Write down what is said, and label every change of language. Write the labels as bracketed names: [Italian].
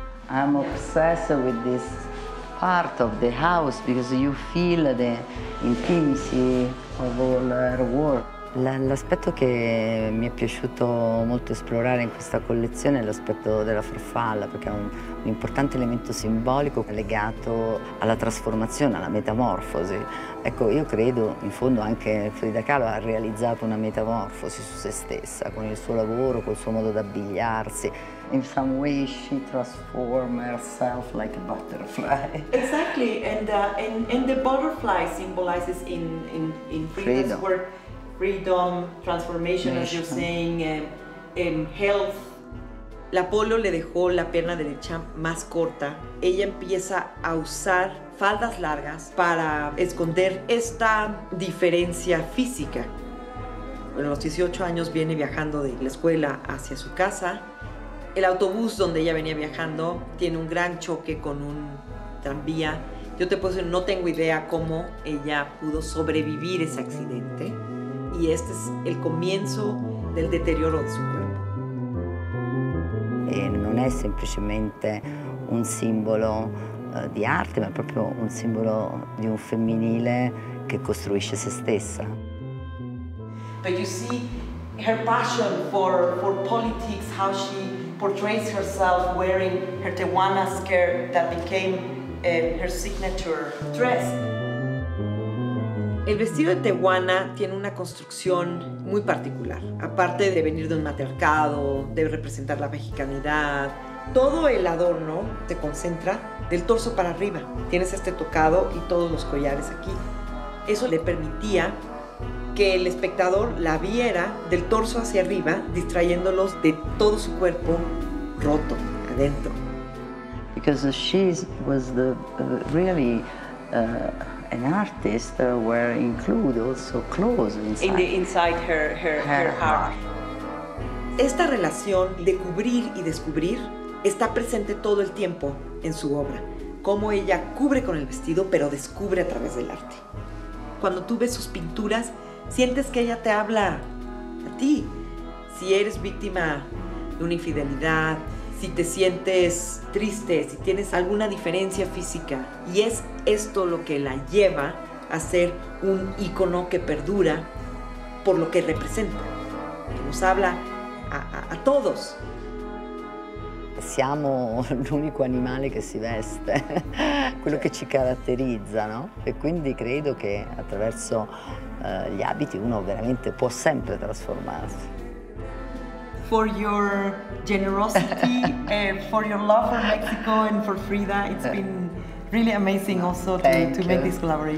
[English] I'm obsessed with this part of the house because you feel the intimacy of all her work. [Italian] L'aspetto che mi è piaciuto molto esplorare in questa collezione è l'aspetto della farfalla, perché è un importante elemento simbolico legato alla trasformazione, alla metamorfosi. Ecco, io credo, in fondo, anche Frida Kahlo ha realizzato una metamorfosi su se stessa, con il suo lavoro, col suo modo d'abbigliarsi. [English] In some way she transformed herself like a butterfly. Exactly, and the butterfly symbolizes in Frida's work. Freedom, transformation, as you're saying, and health. [Spanish] La Polo le dejó la pierna derecha más corta. Ella empieza a usar faldas largas para esconder esta diferencia física. Bueno, a los 18 años viene viajando de la escuela hacia su casa. El autobús donde ella venía viajando tiene un gran choque con un tranvía. Yo te puedo decir, no tengo idea cómo ella pudo sobrevivir ese accidente. Y este es el comienzo del deterioro de su cuerpo. No es simplemente un símbolo de arte, sino propio un símbolo de un femminile que construye [Italian] se stessa. [English] But you see her passion for politics, how she portrays herself wearing her tehuana skirt that became her signature dress. [Spanish] El vestido de tehuana tiene una construcción muy particular. Aparte de venir de un matriarcado, de representar la mexicanidad, todo el adorno se concentra del torso para arriba. Tienes este tocado y todos los collares aquí. Eso le permitía que el espectador la viera del torso hacia arriba, distrayéndolos de todo su cuerpo roto adentro. [English] Because she was the really an artist where include also clothes inside, inside her heart. [Spanish] Esta relación de cubrir y descubrir está presente todo el tiempo en su obra. Cómo ella cubre con el vestido, pero descubre a través del arte. Cuando tú ves sus pinturas, sientes que ella te habla a ti. Si eres víctima de una infidelidad, si te sientes triste, si tienes alguna diferencia física, y es esto lo que la lleva a ser un ícono que perdura por lo que representa, que nos habla a todos. [Italian] Siamo l'unico animale che si veste, quello che ci caratterizza, no? E quindi credo che attraverso gli abiti uno veramente può sempre trasformarsi. [English] For your generosity and for your love for Mexico and for Frida, it's been really amazing also to make this collaboration.